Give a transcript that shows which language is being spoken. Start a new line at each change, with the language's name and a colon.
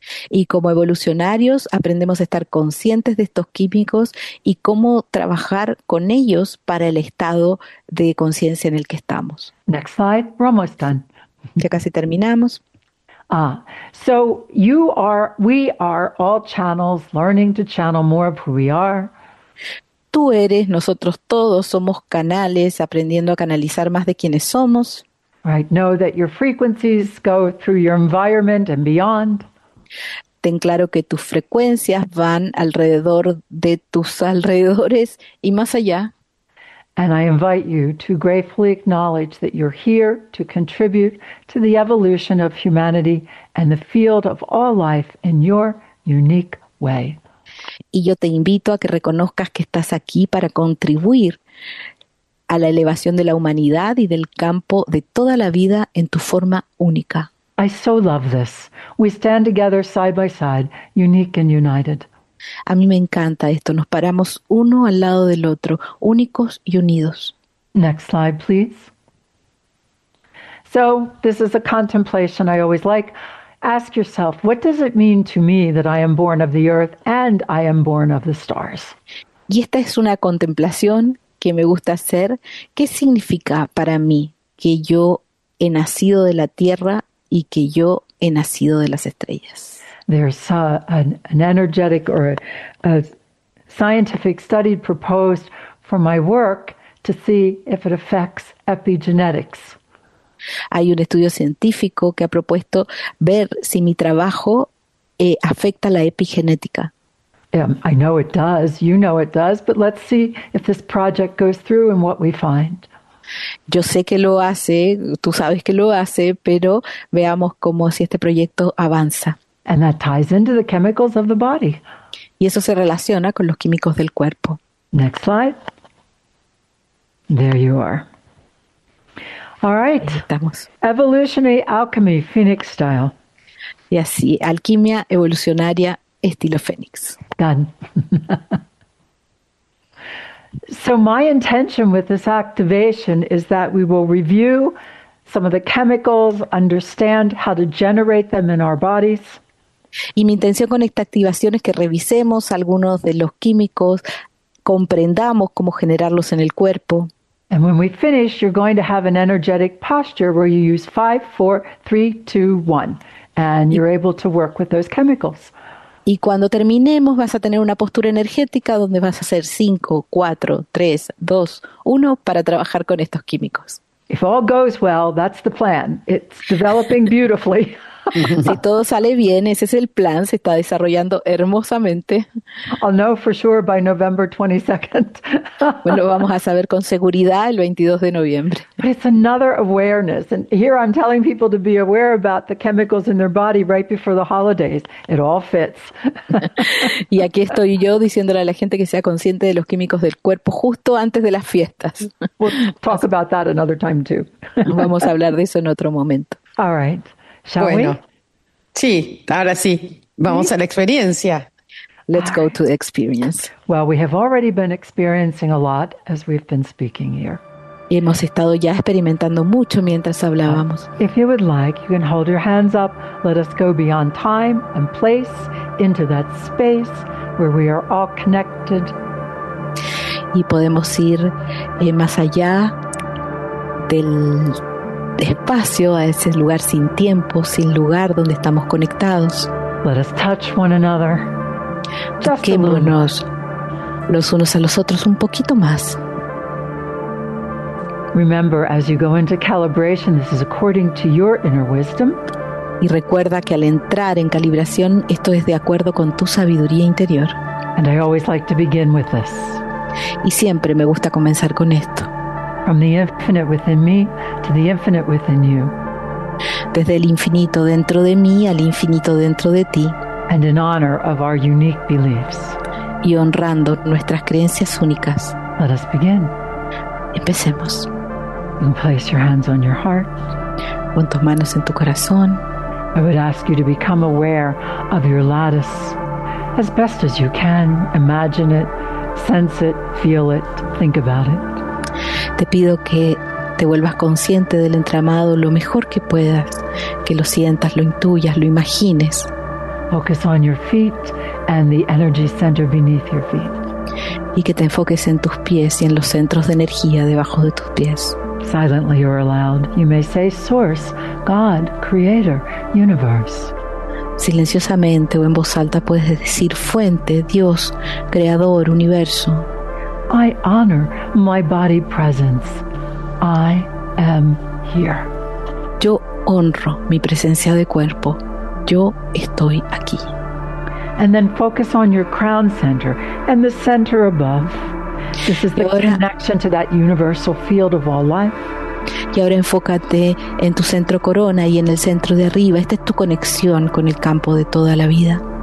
Spanish: Y como evolucionarios aprendemos a estar conscientes de estos químicos y cómo trabajar con ellos para el estado de conciencia en el que estamos.
English: Next slide, we're almost done.
Spanish: Ya casi terminamos.
English: Ah, so we are all channels learning to channel more of who we are.
Spanish: Tú eres, nosotros todos somos canales aprendiendo a canalizar más de quienes somos.
English: Right, know that your frequencies go through your environment and beyond.
Spanish: Ten claro que tus frecuencias van alrededor de tus alrededores y más allá.
English: And I invite you to gratefully acknowledge that you're here to contribute to the evolution of humanity and the field of all life in your unique way.
Spanish: Y yo te invito a que reconozcas que estás aquí para contribuir a la elevación de la humanidad y del campo de toda la vida en tu forma única.
English: I so love this. We stand together side by side, unique and united.
Spanish: A mí me encanta esto. Nos paramos uno al lado del otro, únicos y unidos.
English: Next slide, please. So, this is a contemplation I always like. Ask yourself, what does it mean to me that I am born of the earth and I am born of the stars?
Spanish: Y esta es una contemplación que me gusta hacer. ¿Qué significa para mí que yo he nacido de la tierra y que yo he nacido de las estrellas?
English: There's an energetic or a scientific study proposed for my work to see if it affects epigenetics.
Spanish: Hay un estudio científico que ha propuesto ver si mi trabajo afecta la epigenética.
English: I know it does, you know it does, but let's see if this project goes through and what we find.
Spanish: Yo sé que lo hace, tú sabes que lo hace, pero veamos cómo si este proyecto avanza.
English: And that ties into the chemicals of the body.
Spanish: Y eso se relaciona con los químicos del cuerpo.
English: Next slide. There you are. All right.
Spanish: Ahí estamos.
English: Evolutionary alchemy, Phoenix style.
Spanish: Y así, alquimia evolucionaria estilo Fénix.
English: Done. So my intention with this activation is that we will review some of the chemicals, understand how to generate them in our bodies.
Spanish: Y mi intención con esta activación es que revisemos algunos de los químicos, comprendamos cómo generarlos en el cuerpo.
English: And when we finish, you're going to have an energetic posture where you use 5, 4, 3, 2, 1, and you're able to work with those chemicals.
Spanish: Y cuando terminemos, vas a tener una postura energética donde vas a hacer 5, 4, 3, 2, 1 para trabajar con estos químicos.
English: If all goes well, that's the plan. It's developing beautifully.
Spanish: Si todo sale bien, ese es el plan. Se está desarrollando hermosamente.
English: I'll know for sure by November 22nd.
Spanish: Bueno, lo vamos a saber con seguridad el 22 de noviembre.
English: But it's another awareness. And here I'm telling people to be aware about the chemicals in their body right before the holidays. It all fits.
Spanish: Y aquí estoy yo diciéndole a la gente que sea consciente de los químicos del cuerpo justo antes de las fiestas.
English: We'll talk about that another time too.
Spanish: Vamos a hablar de eso en otro momento.
English: All right.
Spanish: Sí, ahora sí. Vamos a la experiencia.
English: Let's go to the experience. Well, we have already been experiencing a lot as we've been speaking here.
Spanish: Y hemos estado ya experimentando mucho mientras hablábamos.
English: If you would like, you can hold your hands up. Let us go beyond time and place into that space where we are all connected.
Spanish: Y podemos ir más allá del espacio, a ese lugar sin tiempo, sin lugar, donde estamos conectados.
English: Let us touch one another.
Spanish: Toquémonos los unos a los otros un poquito más.
English: Remember, as you go into calibration, this is according to your inner wisdom.
Spanish: Y recuerda que al entrar en calibración, esto es de acuerdo con tu sabiduría interior.
English: And I always like to begin with this.
Spanish: Y siempre me gusta comenzar con esto.
English: From the infinite within me to the infinite within you.
Spanish: Desde el infinito dentro de mí al infinito dentro de ti.
English: And in honor of our unique beliefs.
Spanish: Y honrando nuestras creencias únicas.
English: Let us begin.
Spanish: Empecemos.
English: You can place your hands on your heart.
Spanish: Pon tus manos en tu corazón.
English: I would ask you to become aware of your lattice as best as you can. Imagine it, sense it, feel it, think about it.
Spanish: Te pido que te vuelvas consciente del entramado lo mejor que puedas, que lo sientas, lo intuyas, lo imagines.
English: Focus on your feet and the energy center beneath your feet.
Spanish: Y que te enfoques en tus pies y en los centros de energía debajo de tus pies.
English: Silently or aloud, you may say source, God, creator, universe.
Spanish: Silenciosamente o en voz alta puedes decir fuente, Dios, creador, universo.
English: I honor my body presence. I am here.
Spanish: Yo honro mi presencia de cuerpo. Yo estoy aquí.
English: And then focus on your crown center and the center above. This is the connection to that universal field of all life.
Spanish: Y ahora enfócate en tu centro corona y en el centro de arriba. Esta es tu conexión con el campo de toda la vida.